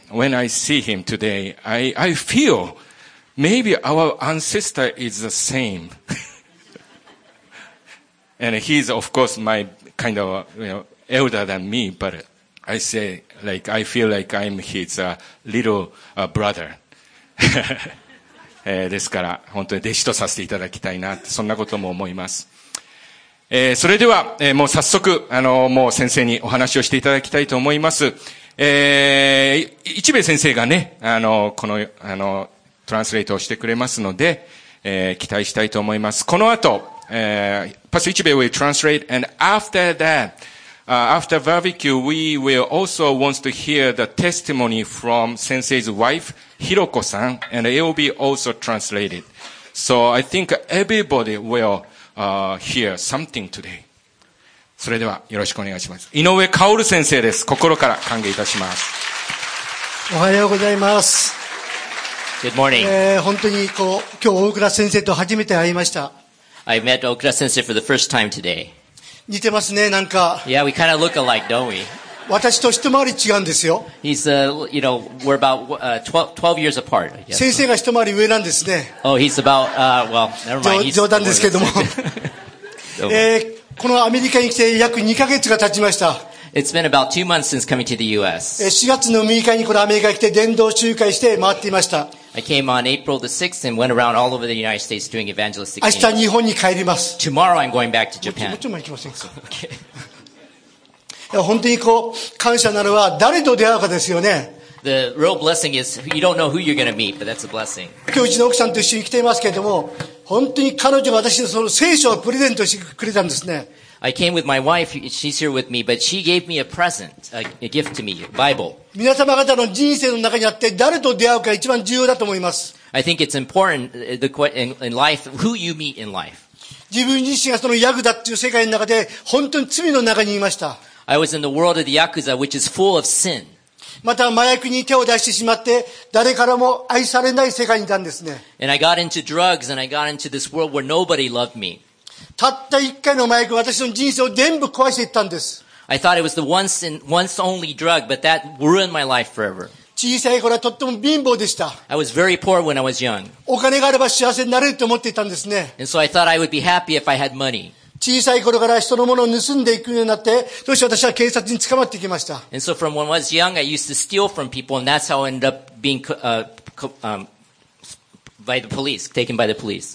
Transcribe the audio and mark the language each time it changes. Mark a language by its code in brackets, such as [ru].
[en] When I see him today, I feel maybe our ancestor is the same。 And he's of course my kind of, you know, elder than me, but I say, like, I feel like I'm his little brother. [ja] ですから、本当に弟子とさせていただきたいな、そんなことも思います。それでは、もう早速、もう先生にお話をしていただきたいと思います。一部先生がね、この、トランスレートをしてくれますので、期待したいと思います。この後、 [en] Pastor Ichibe will translate, and after that, after barbecue, we will also want to hear the testimony from Sensei's wife, Hiroko-san, and it will be also translated. So I think everybody will, hear something today. [ja] それではよろしくお願いします。井上薫先生です。心から歓迎いたします。おはようございます。 [en] Good morning. [ja] 本当にこう、今日大倉先生と初めて会いました。 [en] I met Okura sensei for the first time today. [ja] 似てますね、なんか。 [en] Yeah, we kind of look alike, don't we? [ja] 私と一回り違うんですよ。 [en] He's, you know, we're about 12 years apart. [ja] 先生が一回り上なんですね。 [en] Oh, he's about, well, never mind. [ja] 冗談ですけども。このアメリカに来て約2ヶ月が経ちました。 [en] It's been about 2 months since coming to the U.S. [ja] 4月の6日にこのアメリカに来て伝道集会して回っていました。 [en] I came on April the 6th and went around all over the United States doing evangelistic campaigns. [ja] 明日日本に帰ります。 [en] Tomorrow I'm going back to Japan. [ja] もちろん行きませんか。 [en] Okay. [ja] 本当にこう、感謝なのは誰と出会うかですよね。 [en] The real blessing is you don't know who you're going to meet, but that's a blessing. [ja] 今日うちの奥さんと一緒に来ていますけれども、本当に彼女が私にその聖書をプレゼントしてくれたんですね。 [en] I came with my wife, she's here with me, but she gave me a present, a gift to me, a Bible. [ja] 皆様方の人生の中にあって誰と出会うか一番重要だと思います。 [en] I think it's important in life, who you meet in life. [ja] 自分自身がそのヤクザっていう世界の中で本当に罪の中にいました。 [en] I was in the world of the Yakuza, which is full of sin. [ja] また麻薬に手を出してしまって誰からも愛されない世界にいたんですね。 [en] And I got into drugs and I got into this world where nobody loved me. [ja] たった一回の麻薬が私の人生を全部壊していったんです。 [en] I thought it was the once only drug, but that ruined my life forever. [ja] 小さい頃はとっても貧乏でした。 [en] I was very poor when I was young. [ja] お金があれば幸せになれると思っていたんですね。 [en] And so I thought I would be happy if I had money. [ja] 小さい頃から人のものを盗んでいくようになって、そして私は警察に捕まってきました。 [en] And so from when I was young, I used to steal from people, and that's how I ended up being, by the police, taken by the police.